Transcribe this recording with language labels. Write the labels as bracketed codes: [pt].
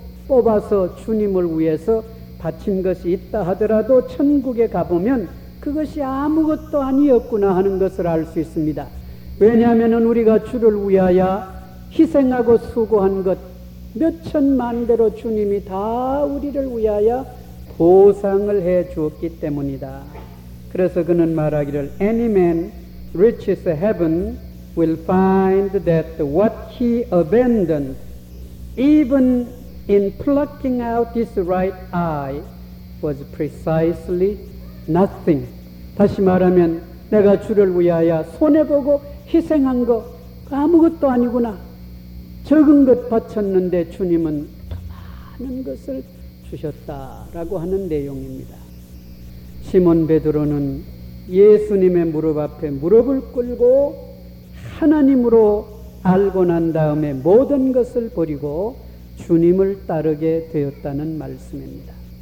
[ko] 뽑아서 주님을 위해서 바친 것이 있다 하더라도 천국에 가보면 그것이 아무것도 아니었구나 하는 것을 알 수 있습니다. 왜냐하면 우리가 주를 위하여 희생하고 수고한 것 몇천만대로 주님이 다 우리를 위하여 보상을 해 주었기 때문이다. 그래서 그는 말하기를 [en] Any man reaches heaven will find that what he abandoned even in plucking out his right eye was precisely nothing. [ko] 다시 말하면 내가 주를 위하여 손해보고 희생한 거 아무것도 아니구나. 적은 것 바쳤는데 주님은 더 많은 것을 주셨다라고 하는 내용입니다. 시몬 베드로는 예수님의 무릎 앞에 무릎을 꿇고 하나님으로 알고 난 다음에 모든 것을 버리고 주님을 따르게 되었다는 말씀입니다.